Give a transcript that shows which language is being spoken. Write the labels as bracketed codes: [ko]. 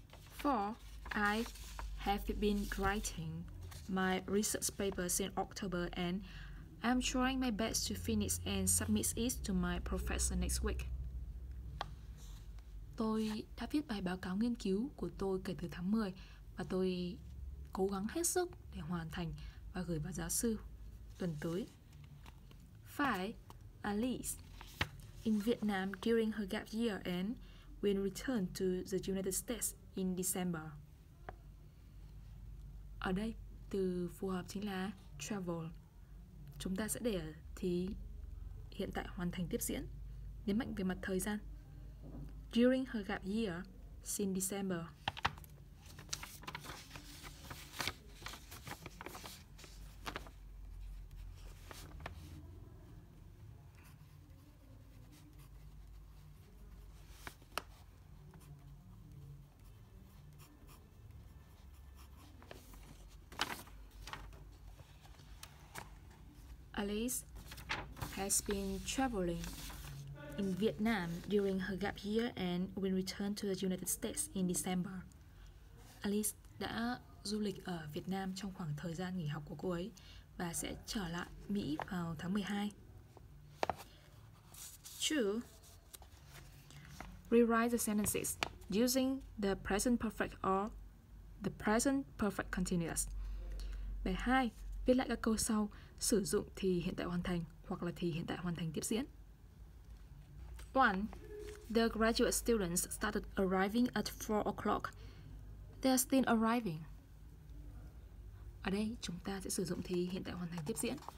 [en] Four, I have been writing my research paper since October and I'm trying my best to finish and submit it to my professor next week. [vi] Tôi đã viết bài báo cáo nghiên cứu của tôi kể từ tháng 10 và tôi cố gắng hết sức để hoàn thành và gửi vào giáo sư tuần tới. [en] Five, Alice in Vietnam during her gap year and will return to the United States in December. [vi] Ở đây, từ phù hợp chính là travel. Chúng ta sẽ để thì hiện tại hoàn thành tiếp diễn, nhấn mạnh về mặt thời gian. [en] During her gap year, since December. Alice has been traveling in Vietnam during her gap year and will return to the United States in December. [vi] Alice đã du lịch ở Việt Nam trong khoảng thời gian nghỉ học của cô ấy và sẽ trở lại Mỹ vào tháng 12. [en] True. Rewrite the sentences using the present perfect or the present perfect continuous. [vi] Bài 2. Viết lại các câu sau sử dụng thì hiện tại hoàn thành hoặc là thì hiện tại hoàn thành tiếp diễn. 1. [en] The graduate students started arriving at 4 o'clock. They are still arriving. [vi] Ở đây chúng ta sẽ sử dụng thì hiện tại hoàn thành tiếp diễn.